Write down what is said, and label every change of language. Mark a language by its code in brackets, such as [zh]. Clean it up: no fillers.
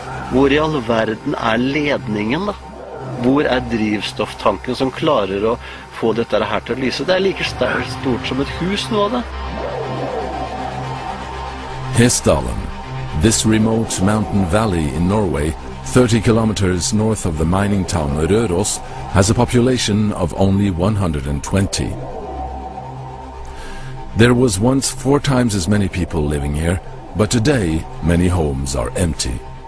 [no] Hvor i all verden ledningen da? Hvor drivstofftanken som klarer å få dette her til å lyse? Det like stort som et hus nå, da. Hesdalen. [en] This remote mountain valley in Norway, 30 kilometers north of the mining town Røros, has a population of only 120. There was once four times as many people living here, but today many homes are empty.